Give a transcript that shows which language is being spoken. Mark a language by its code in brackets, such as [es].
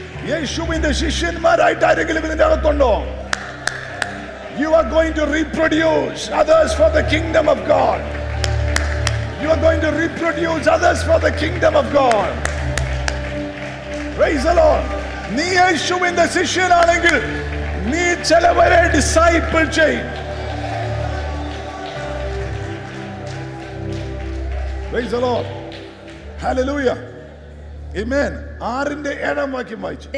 [ml] യേശുവിന്റെ ശിഷ്യന്മാരായിട്ട് ആരെങ്കിലും ഇതിന്റെ അകത്തുണ്ടോ? [en] You are going to reproduce others for the kingdom of God. You are going to reproduce others for the kingdom of God. Praise the Lord. [ml] നീ യേശുവിന്റെ ശിഷ്യനാണെങ്കിൽ നീ ചിലവരെ disciple ചെയ്യും. [en] Praise the Lord. Hallelujah. Amen. [ml] ആറിന്റെ ഏഴാം വാക്യം വായിച്ചു.